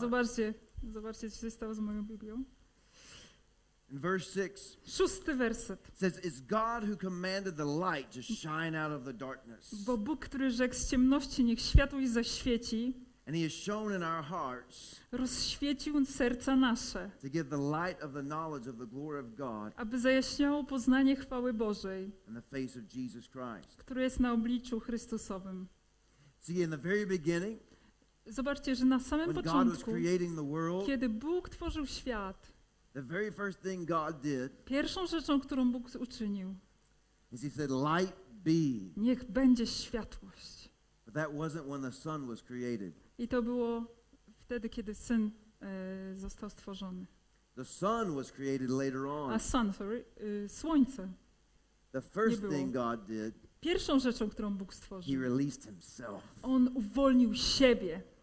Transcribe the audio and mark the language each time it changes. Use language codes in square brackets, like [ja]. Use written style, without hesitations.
[pl] Zobaczcie, co się stało z moją Biblią. [en] In verse 6. [pl] Szósty werset. [en] Says it's God who commanded the light to shine out of the darkness. [pl] Bo Bóg, który rzekł z ciemności, niech światło zaświeci. [en] And he has shown in our hearts. [pl] Rozświecił serca nasze. [en] To give the light of the knowledge of the glory of God. [pl] Aby zajaśniało poznanie chwały Bożej. [en] In the face of Jesus Christ. [pl] Który jest na obliczu Chrystusowym. [en] See, in the very beginning. [pl] Zobaczcie, że na samym [en] when [pl] początku. [en] God was creating the world, [pl] kiedy Bóg tworzył świat. [en] The very first thing God did. [pl] Pierwszą rzeczą, którą Bóg uczynił. [en] Is he said, "Light be." [pl] Niech będzie światłość. [en] But that wasn't when the sun was created. [pl] I to było wtedy, kiedy syn został stworzony. [en] The sun was created later on. [pl] A [en] sun, sorry, [pl] słońce. [en] The first thing God did. [pl] Pierwszą rzeczą, którą Bóg stworzył. [en] He released himself. [pl] On uwolnił siebie.